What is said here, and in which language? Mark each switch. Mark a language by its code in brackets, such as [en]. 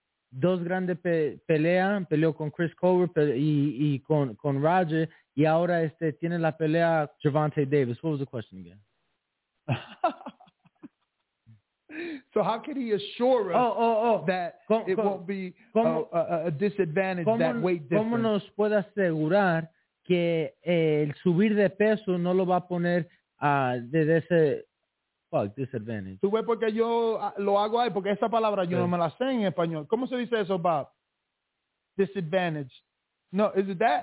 [es] dos grandes peleas, peleó con Chris Colbert y con Roger, y ahora tiene la pelea Gervonta Davis. [en] What was the question again? So how can he assure us that it won't be a disadvantage, that weight difference? [es] ¿Cómo nos puede asegurar que el subir de peso no lo va a poner desde ese disadvantage? Tú ves, porque yo lo hago ahí, porque esa palabra yo no me la sé en español. ¿Cómo se dice eso, [en] Bob? Disadvantage. No, is it that?